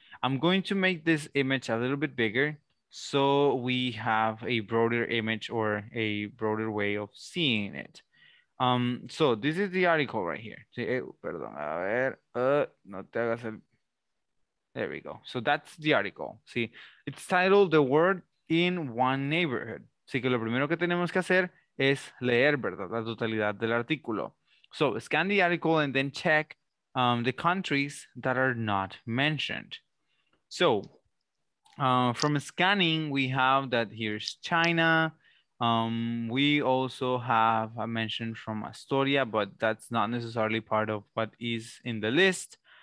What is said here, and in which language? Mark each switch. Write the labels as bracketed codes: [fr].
[en] I'm going to make this image a little bit bigger so we have a broader image or a broader way of seeing it. So this is the article right here. [es] Perdón, a ver, no te hagas el... [en] There we go. So that's the article. See, it's titled The World in One Neighborhood. [es] Así que lo primero que tenemos que hacer es leer, ¿verdad? La totalidad del artículo. [en] So scan the article and then check the countries that are not mentioned. So from scanning, we have that here's China. We also have a mention from Astoria, but that's not necessarily part of what is in the list.